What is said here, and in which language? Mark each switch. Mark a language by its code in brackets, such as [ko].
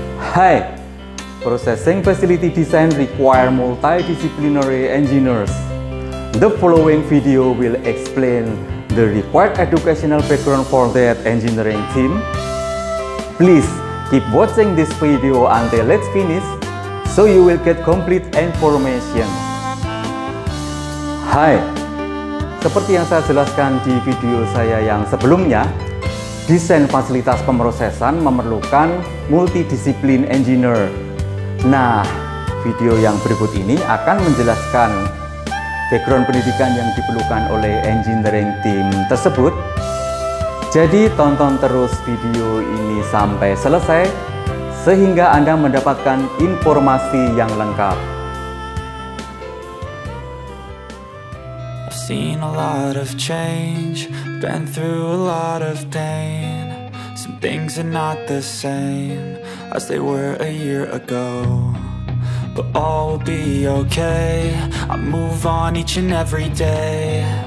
[en] Hai, processing facility design require multidisciplinary engineers. The following video will explain the required educational background for that engineering team. Please keep watching this video until let's finish, so you will get complete information. [id] Hai, seperti yang saya jelaskan di video saya yang sebelumnya, desain fasilitas pemrosesan memerlukan multidisiplin engineer. Nah, video yang berikut ini akan menjelaskan background pendidikan yang diperlukan oleh engineering team tersebut. Jadi, tonton terus video ini sampai selesai, sehingga Anda mendapatkan informasi yang lengkap. [en] Seen a lot of change, been through a lot of pain. Some things are not the same as they were a year ago. But all will be okay, I move on each and every day.